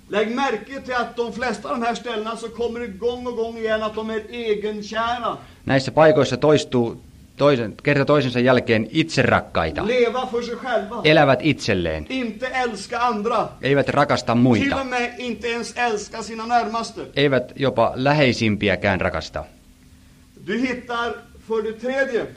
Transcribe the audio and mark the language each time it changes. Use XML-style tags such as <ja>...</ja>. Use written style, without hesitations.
<sv>Lägg märke till att de flesta av de här ställena så kommer det gång och gång igen att de är egenkära.</sv> <fi>Näissä paikoissa toistuu kerta toisensa jälkeen itserakkaita.</fi> <sv>Leva för sig själva.</sv> <fi>Elävät itselleen.</fi> <sv>Inte älska andra.</sv> <fi>Eivät rakasta muita.</fi> <sv>Till och med inte ens älska sina närmaste.</sv> <fi>Eivät jopa läheisimpiäkään rakasta.</fi> <sv>Du hittar för det tredje.</sv>